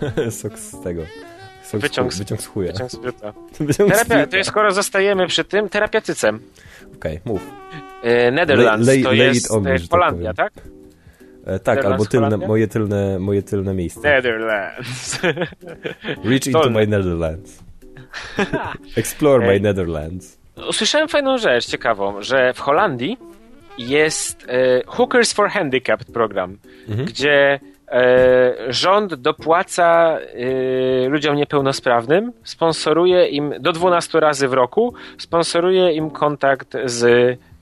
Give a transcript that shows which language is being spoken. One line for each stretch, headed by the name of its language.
Polish: Sok z tego. Wyciąg z chuja. Wyciąg z pióra. To jest, skoro zostajemy przy tym, terapeutycem. Okej, okay, mów. Netherlands to jest Holandia, tak? Tak, albo moje tylne miejsce.
English: Netherlands. Reach into my Netherlands. Explore my Netherlands.
Polish: Usłyszałem fajną rzecz, ciekawą, że w Holandii jest Hookers for Handicapped program, gdzie rząd dopłaca ludziom niepełnosprawnym, sponsoruje im do 12 razy w roku, sponsoruje im kontakt z